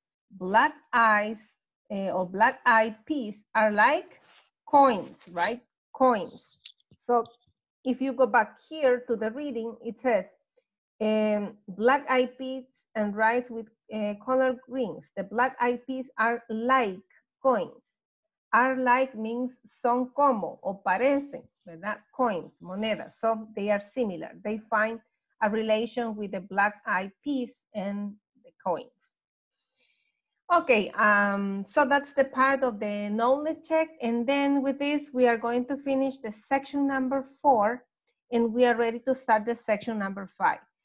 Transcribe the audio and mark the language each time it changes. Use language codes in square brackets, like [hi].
[en] black eyes or black eyed peas are like coins, right? Coins. So if you go back here to the reading, it says, black eyed peas and rice with colored greens. The black eyed peas are like coins. Are like means [es] son como o parecen, ¿verdad? [en] Coins, monedas. So they are similar. They find a relation with the black eyed peas and the coins. Okay, so that's the part of the knowledge check. And then with this, we are going to finish the section number 4 and we are ready to start the section number 5.